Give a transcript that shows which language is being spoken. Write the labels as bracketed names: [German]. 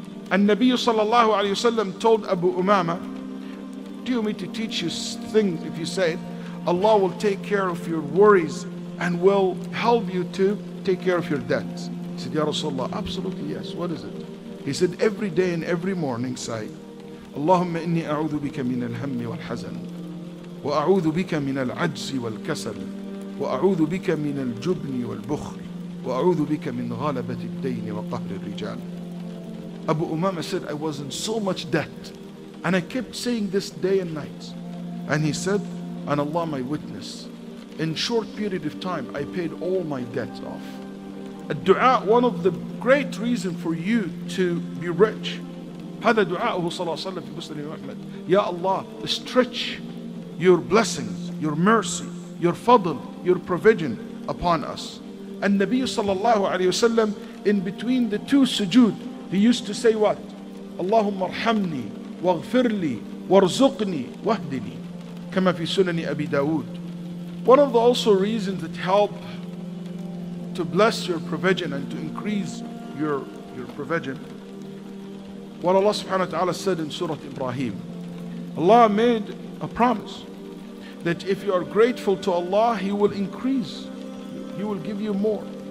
[English] And Nabi sallallahu alayhi wa sallam told Abu Umama, do you want me to teach you things if you say it? Allah will take care of your worries and will help you to take care of your debts. He said, Ya Rasulullah, absolutely yes. What is it? He said, every day and every morning say, [Arabic] اللهم إني أعوذ بك من الهم والحزن وأعوذ بك من العجز والكسل وأعوذ بك من الجبن والبخل وأعوذ بك من غلبة الدين وقهر الرجال. [English] Abu Umama said, I was in so much debt and I kept saying this day and night. And he said, and Allah my witness, in short period of time I paid all my debts off. A dua, one of the great reason for you to be rich. [Arabic] هذا دعاءه صلى الله عليه وسلم في مسلم أحمد. يا الله, [English] stretch your blessings, your mercy, your fadl, your provision upon us. And Nabi صلى الله عليه وسلم, in between the two sujood, he used to say what? [Arabic] اللهم ارحمني واغفر لي وارزقني واهدني كما في سنن أبي داود. [English] One of the also reasons that help to bless your provision and to increase your provision, what Allah subhanahu wa ta'ala said in Surah Ibrahim, Allah made a promise that if you are grateful to Allah, He will increase, He will give you more.